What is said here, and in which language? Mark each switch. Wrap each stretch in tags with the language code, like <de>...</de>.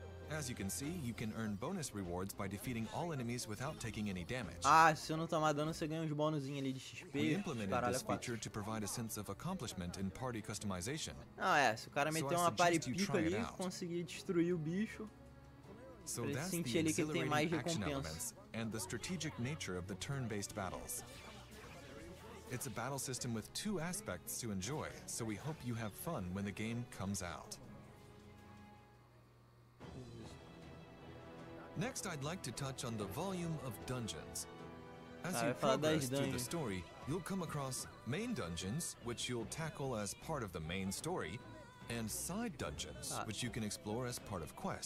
<en>As you can see, you can earn bonus rewards by defeating all enemies without taking any damage.</en> <pt>Ah, se eu não tomar dano, você ganha uns bonuzinho ali de XP.</pt> <en>We implemented this feature to provide a sense of accomplishment in party customization.</en> <pt>Ah, é, se o cara meter uma party pica ali, conseguir destruir o bicho.</pt> <en>So that's the</en> <pt>sentir ali que ele tem mais recompensa.</pt> <en>And the strategic nature of the turn-based battles. It's a battle system with two aspects to enjoy, so we hope you have fun when the game comes out. Next, I'd like to touch on the volume of dungeons. As you progress through the story, you'll come across main dungeons, which you'll tackle as part of the main story, and side dungeons, which you can explore as part of quests.</en>